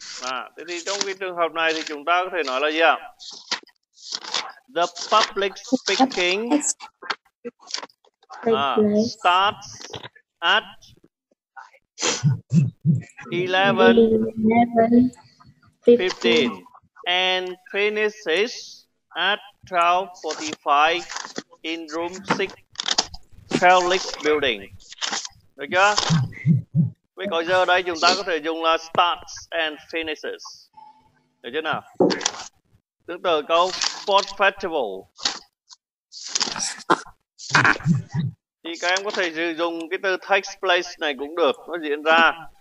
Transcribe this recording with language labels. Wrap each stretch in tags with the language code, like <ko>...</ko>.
<vi>À, thế thì trong cái trường hợp này thì chúng ta có thể nói là gì ạ? À?</vi> <en>The public speaking starts at 11:15 and finishes at 12:45 in room 6 public building.</en> <vi>Được chưa? Vậy có giờ đây chúng ta có thể dùng là</vi> <en>starts and finishes.</en> <vi>Được chưa nào? Tương tự câu Sport Festival. Thì các em có thể sử dụng cái từ takes place này cũng được, nó diễn ra.</vi>